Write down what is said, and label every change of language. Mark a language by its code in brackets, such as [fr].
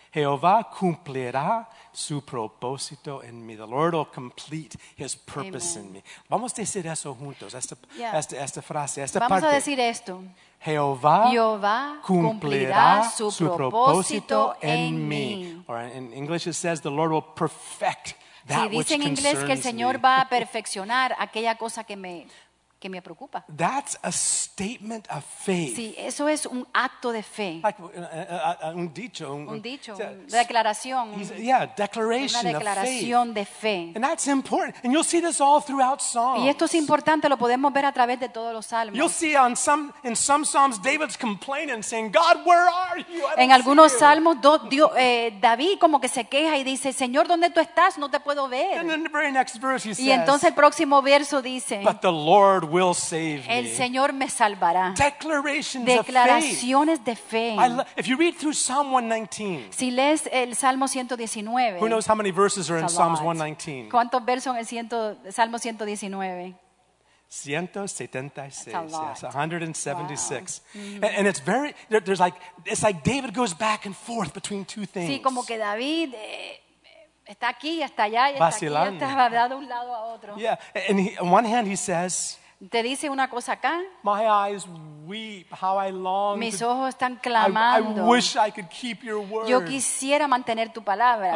[es] Jehová cumplirá su propósito en mí. [en] The Lord will complete his purpose Amen. In me. [es] Vamos a decir eso juntos. Esta frase, esta Vamos parte. Vamos a decir esto. Jehová cumplirá su propósito en mí. [en] Or in English it says the Lord will perfect that which me. [es] Si dice en inglés que el Señor va a perfeccionar aquella cosa que me preocupa. [en] That's a statement of faith. [es] Sí, eso es un acto de fe. Like un dicho. Declaración. [en] Declaration [es] una declaración [en] of faith. [es] De fe. [en] And that's important. And you'll see this all throughout Psalms. [es] Y esto es importante, lo podemos ver a través de todos los salmos. [en] You'll see in some Psalms David's complaining saying, "God, where are you?" [es] En algunos salmos David como que se queja y dice, "Señor, ¿dónde tú estás? No te puedo ver." [en] And then the very next verse he says, [es] y entonces el próximo verso dice, [en] "But the Lord will save me." [es] El Señor me salvará. [en] Declarations of [es] declaraciones [en] faith. [es] De fe. [en] If you read through Psalm 119. [es] Si lees el Salmo 119. [en] Who knows how many verses are in Psalms 119? [es] ¿Cuántos versos en Salmo 119? [en] 176. Yes, 176. Wow. And it's very there's like it's like David goes back and forth between two things. [es] Sí, como que David está aquí, está allá, y está vacilando. Aquí, está hablando de un lado a otro. [en] Yeah, and on one hand he says, [es] te dice una cosa acá. [en] My eyes weep, how I long. [es] Mis ojos están clamando. [en] I wish I could keep your word. [es] Yo quisiera mantener tu palabra.